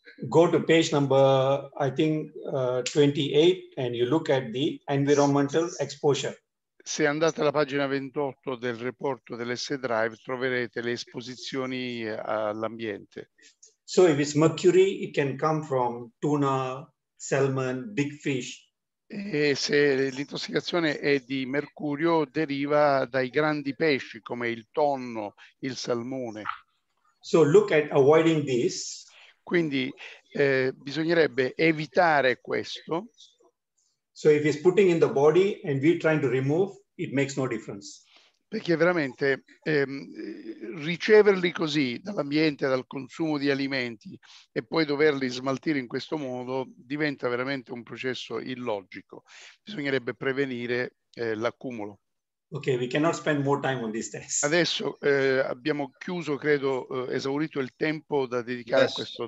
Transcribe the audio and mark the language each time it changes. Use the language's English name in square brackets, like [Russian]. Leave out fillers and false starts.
[English] Go to page number, I think, 28, and you look at the environmental exposure. [Italian] Se andate alla pagina 28 del reporto dell'S-Drive, troverete le esposizioni all'ambiente. [English] So if it's mercury, it can come from tuna, salmon, big fish. [Italian] E se l'intossicazione è di mercurio, deriva dai grandi pesci, come il tonno, il salmone. [English] So look at avoiding this. [Italian] Quindi bisognerebbe evitare questo. [English] So if it's putting in the body and we're trying to remove, it makes no difference. [Italian] Perché veramente riceverli così dall'ambiente, dal consumo di alimenti, e poi doverli smaltire in questo modo diventa veramente un processo illogico. Bisognerebbe prevenire l'accumulo. [English] Okay, we cannot spend more time on this test. [Italian] Adesso abbiamo chiuso, credo, esaurito il tempo da dedicare a questo